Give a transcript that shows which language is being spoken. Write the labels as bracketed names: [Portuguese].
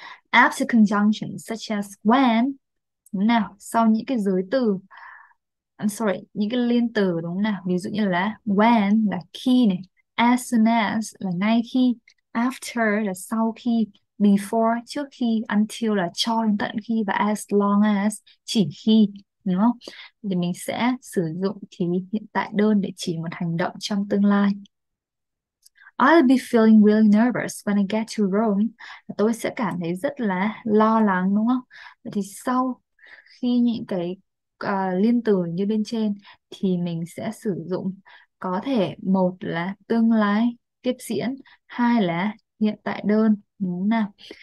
[Vietnamese] After conjunctions such as when, đúng nào, sau những cái giới từ, [English] I'm sorry, [Vietnamese] những cái liên từ đúng không nào, ví dụ như là when là khi này, as soon as là ngay khi, after là sau khi, before trước khi, until là cho đến tận khi, và as long as chỉ khi, đúng không? Thì mình sẽ sử dụng thì hiện tại đơn để chỉ một hành động trong tương lai. [English] I'll be feeling really nervous when I get to Rome. [Vietnamese] Tôi sẽ cảm thấy rất là lo lắng đúng không? Thì sau khi những cái liên từ như bên trên thì mình sẽ sử dụng có thể một là tương lai tiếp diễn, hai là hiện tại đơn đúng nào?